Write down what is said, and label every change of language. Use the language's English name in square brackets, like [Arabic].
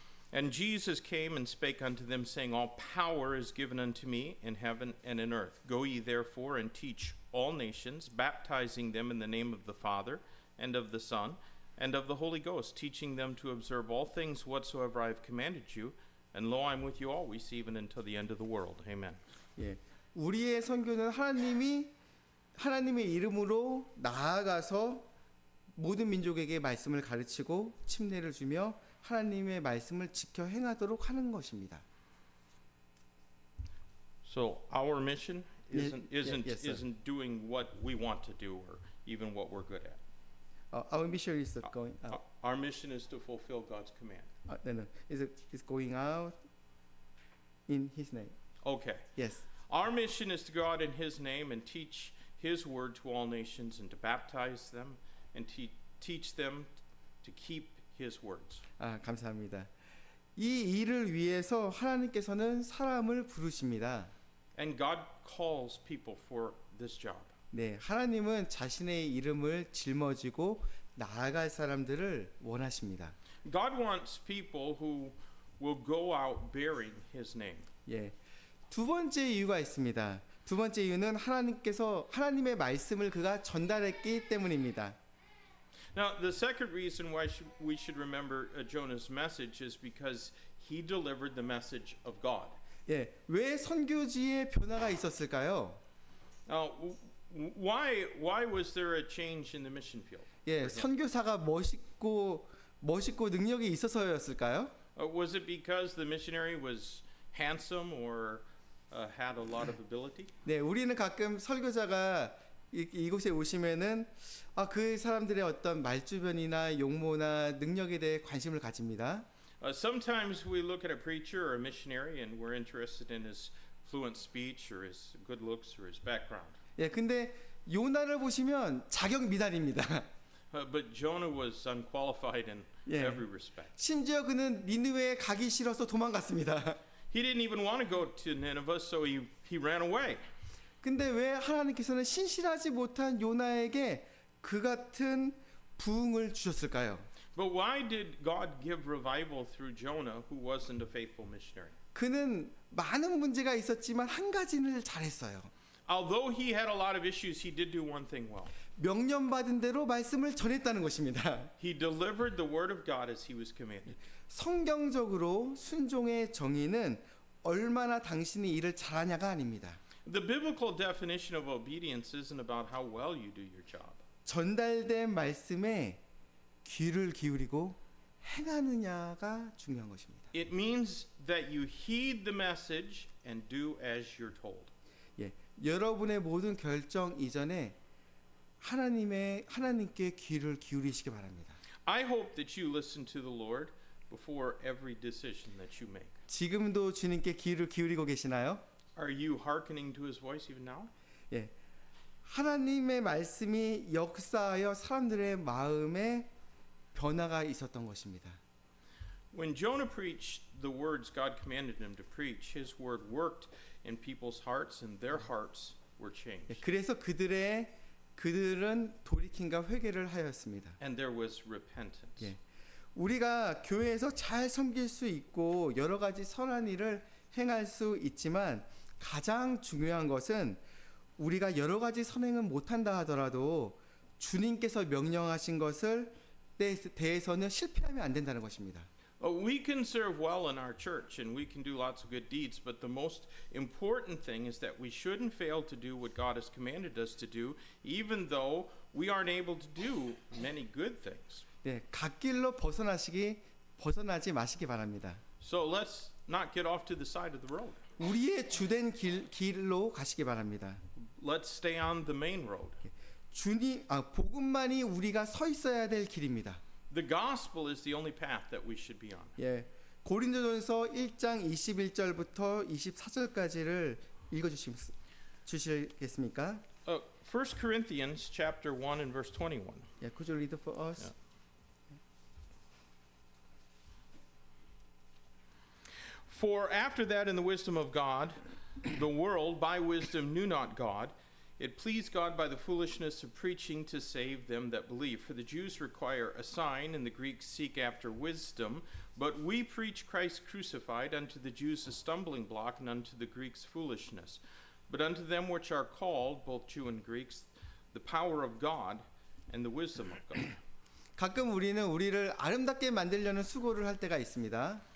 [English] And Jesus came and spake unto them, saying, All power is given unto me in heaven and in earth. Go ye therefore and teach all nations, baptizing them in the name of the Father and of the Son and of the Holy Ghost, teaching them to observe all things whatsoever I have commanded you. And lo, I'm with you always, even until the end of the world. Amen. Yeah. [Korean] 우리의 선교는 하나님의 이름으로 나아가서 모든 민족에게 말씀을 가르치고 침례를 주며 하나님의 말씀을 지켜 행하도록 하는 것입니다. [English] So our mission isn't doing what we want to do or even what we're good at. Our mission is going out. Our mission is to fulfill God's command. Is going out in His name. Okay. Yes. Our mission is to go out in His name and teach His word to all nations and to baptize them. And teach them to keep His words. [Korean] 아 감사합니다. 이 일을 위해서 하나님께서는 사람을 부르십니다. [English] And God calls people for this job. [Korean] 네, 하나님은 자신의 이름을 짊어지고 나아갈 사람들을 원하십니다. [English] God wants people who will go out bearing His name. [Korean] 예, 두 번째 이유가 있습니다. 두 번째 이유는 하나님께서 하나님의 말씀을 그가 전달했기 때문입니다. [English] Now the second reason why we should remember Jonah's message is because he delivered the message of God. [Korean] 예, 왜 선교지의 변화가 있었을까요? [English] Why was there a change in the mission field? [Korean] 예, 선교사가 멋있고 능력이 있어서였을까요? [English] Was it because the missionary was handsome or had a lot of ability? [Korean] 네, 우리는 가끔 설교자가 이곳에 오시면은 아, 그 사람들의 어떤 말주변이나 용모나 능력에 대해 관심을 가집니다. [English] Sometimes we look at a preacher or a missionary and we're interested in his fluent speech or his good looks or his background. [Korean] 예, 근데 요나를 보시면 자격 미달입니다. [English] But Jonah was unqualified in 예, every respect. [Korean] 심지어 그는 니느웨에 가기 싫어서 도망갔습니다. [English] He didn't even want to go to Nineveh, so he ran away. [Korean] 근데 왜 하나님께서는 신실하지 못한 요나에게 그 같은 부흥을 주셨을까요? [English] But why did God give revival through Jonah, who wasn't a faithful missionary? [Korean] 그는 많은 문제가 있었지만 한 가지를 잘했어요. [English] Although he had a lot of issues, he did do one thing well. [Korean] 명령받은 대로 말씀을 전했다는 것입니다. [English] He delivered the word of God as he was commanded. [Korean] 성경적으로 순종의 정의는 얼마나 당신이 일을 잘하냐가 아닙니다. [English] The biblical definition of obedience isn't about how well you do your job. [Korean] 전달된 말씀에 귀를 기울이고 행하느냐가 중요한 것입니다. [English] It means that you heed the message and do as you're told. [Korean] 예, 여러분의 모든 결정 이전에 하나님께 귀를 기울이시기 바랍니다. [English] I hope that you listen to the Lord before every decision that you make. [Korean] 지금도 주님께 귀를 기울이고 계시나요? [English] Are you hearkening to His voice even now? [Korean] 예, 하나님의 말씀이 역사하여 사람들의 마음에 변화가 있었던 것입니다. [English] When Jonah preached the words God commanded him to preach, His word worked in people's hearts, and their hearts were changed. [Korean] 예, 그래서 그들은 돌이킴과 회개를 하였습니다. [English] And there was repentance. [Korean] 예, 우리가 교회에서 잘 섬길 수 있고 여러 가지 선한 일을 행할 수 있지만 가장 중요한 것은 우리가 여러 가지 선행은 못한다 하더라도 주님께서 명령하신 것을 대해서는 실패하면 안 된다는 것입니다. [English] We can serve well in our church and we can do lots of good deeds, but the most important thing is that we shouldn't fail to do what God has commanded us to do, even though we aren't able to do many good things. [Korean] 네, 갓길로 벗어나지 마시기 바랍니다. [English] So let's not get off to the side of the road. [Korean] 우리의 주된 길로 가시기 바랍니다. [English] Let's stay on the main road. [Korean] 복음만이 우리가 서 있어야 될 길입니다. [English] The gospel is the only path that we should be on. [Korean] 예, 고린도전서 1장 21절부터 24절까지를 읽어주시겠습니까? [English] First Corinthians chapter 1 and verse 21. Yeah, could you read it for us? Yeah. For after that in the wisdom of God, the world by wisdom knew not God. It pleased God by the foolishness of preaching to save them that believe. For the Jews require a sign, and the Greeks seek after wisdom. But we preach Christ crucified, unto the Jews a stumbling block, and unto the Greeks foolishness. But unto them which are called, both Jew and Greeks, the power of God and the wisdom of God. [Korean] 가끔 우리는 우리를 아름답게 만들려는 수고를 할 때가 있습니다.